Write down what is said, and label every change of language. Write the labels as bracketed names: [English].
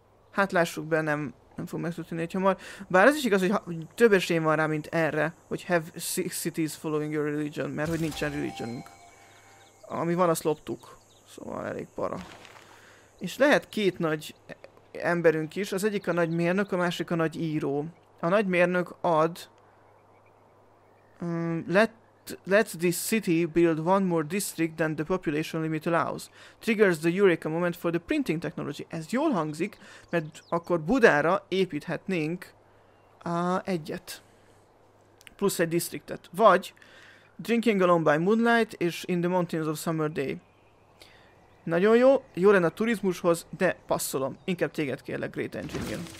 [Hungarian] Hát lássuk be, nem fog megszületni egy hamar. Bár ez is igaz, hogy több esélyem van rá, mint erre, hogy have six cities following your religion, mert hogy nincsen religionünk. Ami van, azt loptuk. Szóval elég para. És lehet két nagy emberünk is, az egyik a nagy mérnök, a másik a nagy író. A nagy mérnök ad... [English] Let this city build one more district than the population limit allows. Triggers the Eureka moment for the printing technology. [Hungarian] Ez jól hangzik, mert akkor Budára építhetnénk egyet. Plusz egy districtet. Vagy Drinking Alone by Moonlight és In the Mountains of Summer Day. Nagyon jó, jó lenne a turizmushoz, de passzolom. Inkább téged kérlek, Great Engineer.